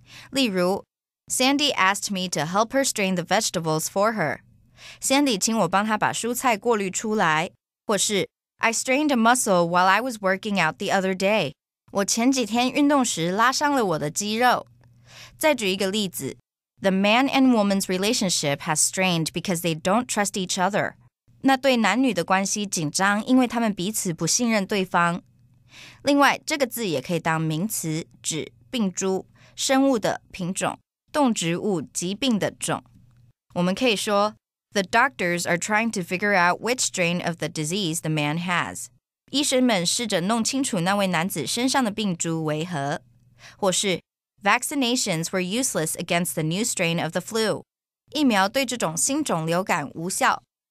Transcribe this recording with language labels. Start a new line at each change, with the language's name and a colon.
Chinese: 例如
English: ，Sandy asked me to help her strain the vegetables for her. Sandy
Chinese: 请我帮她把蔬菜过滤出来，或是
English: I strained a muscle while I was working out the other day.
Chinese: 我前几天运动时拉伤了我的肌肉。再举一个例子。
English: The man and woman's relationship has strained because they don't trust each other.
Chinese: 那对男女的关系紧张，因为他们彼此不信任对方。另外，这个字也可以当名词，指病株、生物的品种、动植物疾病的种。我们可以说
English: ，The doctors are trying to figure out which strain of the disease the man has.
Chinese: 医生们试着弄清楚那位男子身上的病株为何，或是。
English: Vaccinations were useless against the new strain of the flu.
Chinese: 疫苗对这种新种流感无效。